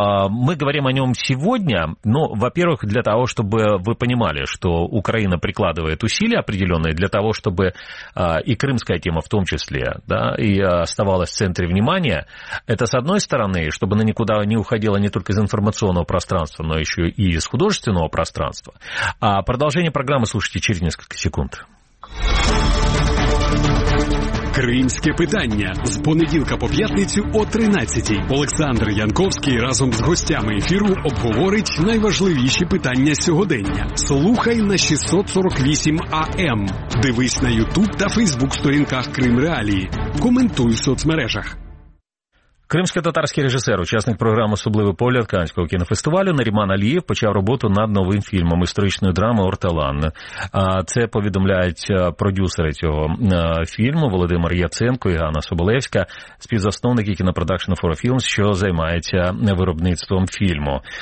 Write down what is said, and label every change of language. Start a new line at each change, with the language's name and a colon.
Russian: Мы говорим о нем сегодня. Ну, во-первых, для того, чтобы вы понимали, что Украина прикладывает усилия определенные для того, чтобы и крымская тема в том числе, да, и оставалась в центре внимания. Это с одной стороны, чтобы она никуда не уходила не только из информационного пространства, но еще и из художественного пространства. А продолжение программы слушайте через несколько секунд.
Ukrainian: Кримське питання з понеділка по п'ятницю о 13:00. Олександр Янковський разом з гостями ефіру обговорить найважливіші питання сьогодення. Слухай на 648 АМ. Дивись на YouTube та Facebook сторінках Крим Реалії. Коментуй в соцмережах. Кримсько-татарський режисер, учасник програми «Особливий погляд» Каннського кінофестивалю Наріман Алієв почав роботу над новим фільмом історичної драми «Орталан». Це повідомляють продюсери цього фільму Володимир Яценко і Ганна Соболевська, співзасновники кінопродакшену «Форофілмс», що займається виробництвом фільму.